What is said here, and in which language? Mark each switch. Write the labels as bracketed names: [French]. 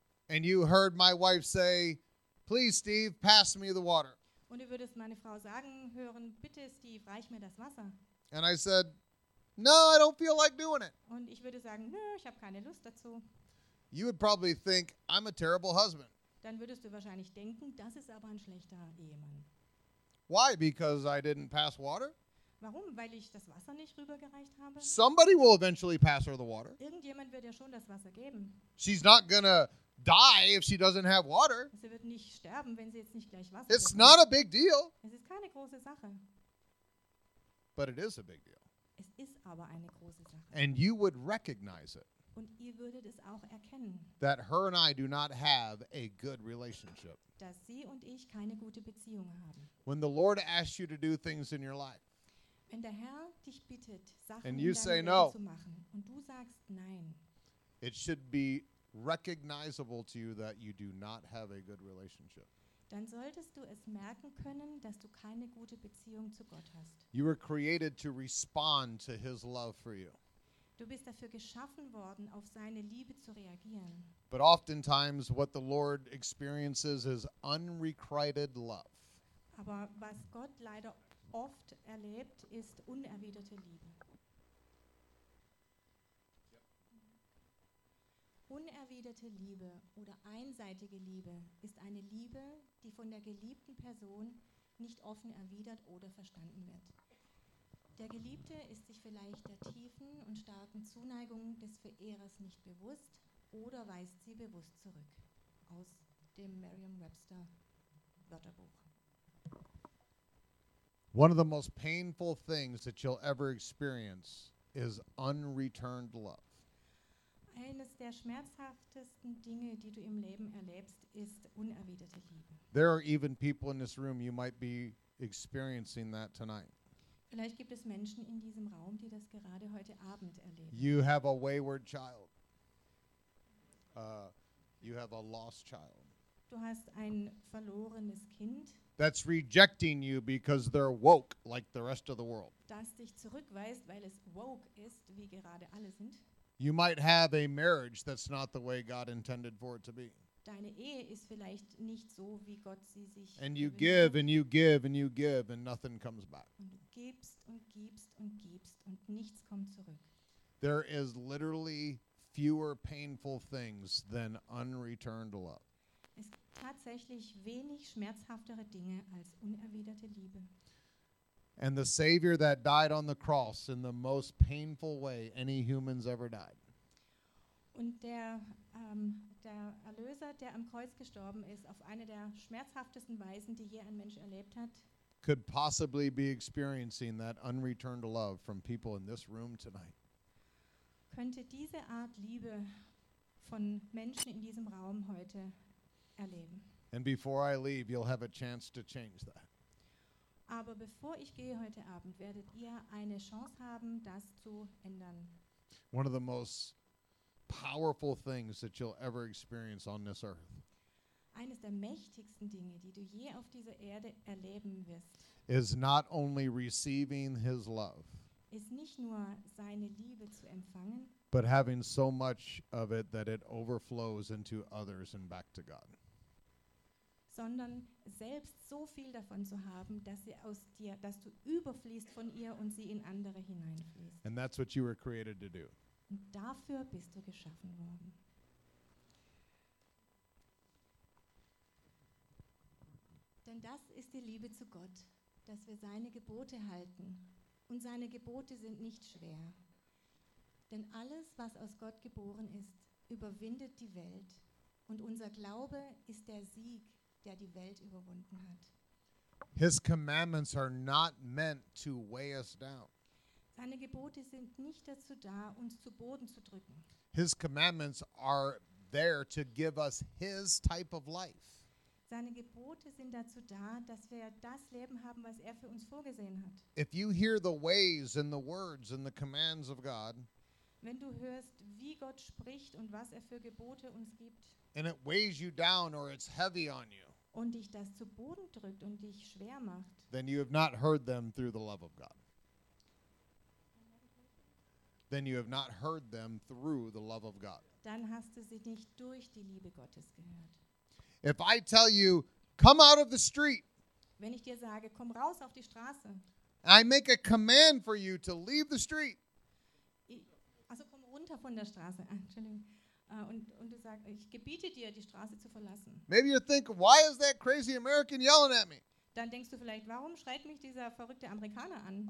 [English] and you heard my wife say, please Steve, pass me the water. [German] Und du würdest meine Frau sagen hören, bitte Steve, reich mir das Wasser. [English] And I said, no, I don't feel like doing it. [German] Und ich würde sagen, nö, ich habe keine Lust dazu. [English] You would probably think I'm a terrible husband. [German] Dann würdest du wahrscheinlich denken, das ist aber ein schlechter Ehemann. [English] Why? Because I didn't pass water? [German] Warum? Weil ich das Wasser nicht rübergereicht habe? [English] Somebody will eventually pass her the water. [German] Irgendjemand wird ihr schon das Wasser geben. [English] She's not gonna die if she doesn't have water. [German] Sie wird nicht sterben, wenn sie jetzt nicht gleich Wasser. [English] It's not a big deal. [German] Es ist keine große Sache. [English] But it is a big deal. [German] Es ist aber eine große Sache. [English] And you would recognize it. [German] Und ihr würdet es auch erkennen. [English] That her and I do not have a good relationship. [German] Dass sie und ich keine gute Beziehung haben. [English] When the Lord asks you to do things in your life, [German] wenn der Herr dich bittet, Sachen in deinem Leben zu machen, und du sagst nein, [English] it should be recognizable to you that you do not have a good relationship. [German] Dann solltest du es merken können, dass du keine gute Beziehung zu Gott hast. [English] You were created to respond to his love for you. [German] Du bist dafür geschaffen worden, auf seine Liebe zu reagieren. [English] But oftentimes what the Lord experiences is unrequited love. [German] Aber was Gott leider oft erlebt, ist unerwiderte Liebe. Unerwiderte Liebe oder einseitige Liebe ist eine Liebe, die von der geliebten Person nicht offen erwidert oder verstanden wird. Der Geliebte ist sich vielleicht der tiefen und starken Zuneigung des Verehrers nicht bewusst oder weist sie bewusst zurück. Aus dem Merriam-Webster Wörterbuch. [English] One of the most painful things that you'll ever experience is unreturned love. [German] Eines der schmerzhaftesten Dinge, die du im Leben erlebst, ist unerwiderte Liebe. [English] There are even people in this room, you might be experiencing that tonight. [German] Vielleicht gibt es Menschen in diesem Raum, die das gerade heute Abend erleben. [English] You have a wayward child. You have a lost child. [German] Du hast ein verlorenes Kind. [English] That's rejecting you because they're woke like the rest of the world. [German] Das dich zurückweist, weil es woke ist, wie gerade alle sind. [English] You might have a marriage that's not the way God intended for it to be. [German] Deine Ehe ist vielleicht nicht so, wie Gott sie sich. [English] And you give and you give and you give and nothing comes back. [German] Und du gibst und gibst und gibst und nichts kommt zurück. [English] There is literally fewer painful things than unreturned love. [German] Es gibt tatsächlich wenig schmerzhaftere Dinge als unerwiderte Liebe. [English] And the Savior that died on the cross in the most painful way any humans ever died. [German] Und der der Erlöser, der am Kreuz gestorben ist, auf eine der schmerzhaftesten Weisen, die je ein Mensch erlebt hat, [English] could possibly be experiencing that unreturned love from people in this room tonight. [German] Könnte diese Art Liebe von Menschen in diesem Raum heute erleben. [English] And before I leave, you'll have a chance to change that. [German] Aber bevor ich gehe heute Abend, werdet ihr eine Chance haben, das zu ändern. [English] One of the most powerful things that you'll ever experience on this earth. [German] Eines der mächtigsten Dinge, die du je auf dieser Erde erleben wirst. [English] Is not only receiving his love. [German] Ist nicht nur seine Liebe zu empfangen. [English] But having so much of it that it overflows into others and back to God. [German] Sondern selbst so viel davon zu haben, dass sie aus dir, dass du überfließt von ihr und sie in andere hineinfließt. [English] And that's what you were created to do. [German] Und dafür bist du geschaffen worden. Denn das ist die Liebe zu Gott, dass wir seine Gebote halten. Und seine Gebote sind nicht schwer. Denn alles, was aus Gott geboren ist, überwindet die Welt. Und unser Glaube ist der Sieg, der die Welt überwunden hat. [English] His commandments are not meant to weigh us down. [German] Seine Gebote sind nicht dazu da, uns zu Boden zu drücken. [English] His commandments are there to give us his type of life. [German] Seine Gebote sind dazu da, dass wir das Leben haben, was er für uns vorgesehen hat. [English] If you hear the ways and the words and the commands of God, [German] wenn du hörst, wie Gott spricht und was er für Gebote uns gibt, [English] and it weighs you down or it's heavy on you, [German] und dich das zu Boden drückt und dich schwer macht, [English] then you have not heard them through the love of God. Then you have not heard them through the love of God. [German] Dann hast du sie nicht durch die Liebe Gottes gehört. [English] If I tell you, come out of the street, [German] wenn ich dir sage, komm raus auf die Straße, [English] I make a command for you to leave the street, [German] also komm runter von der Straße, Entschuldigung. Und du sagst, ich gebiete dir, die Straße zu verlassen. [English] Maybe you think, why is that crazy American yelling at me? [German] Dann denkst du vielleicht, warum schreit mich dieser verrückte Amerikaner an?